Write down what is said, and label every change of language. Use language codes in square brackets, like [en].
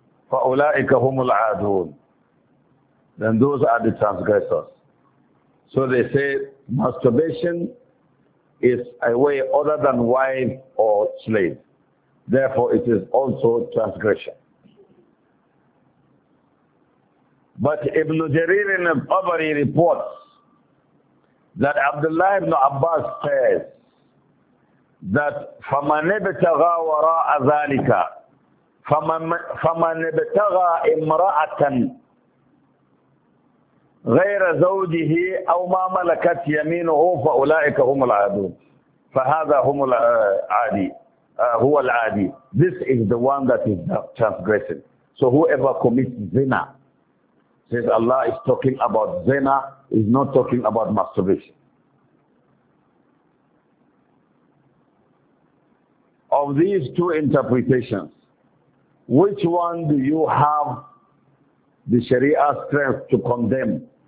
[ar] فَأُولَٰئِكَ هُمُ الْعَادُونَ. [en] Then those are the transgressors. So they say masturbation is a way other than wife or slave. Therefore, it is also transgression. But Ibn Jarir in al-Tabari reports that Abdullah ibn Abbas says that [ar] فَمَنِ ابْتَغَى وَرَاءَ ذَلِكَ فَمَنِ ابْتَغَى إِمْرَأَةً غَيْرَ زَوْجِهِ أَوْ مَا مَلَكَتْ يَمِينُهُ فَأُولَٰئِكَ هُمُ الْعَادُونَ فَهَذَا هُمُ الْعَادِي هُوَ الْعَادِي. [en] This is the one that is transgressing. So whoever commits zina, says Allah is talking about zina, is not talking about masturbation. Of these two interpretations, which one do you have the Sharia strength to condemn?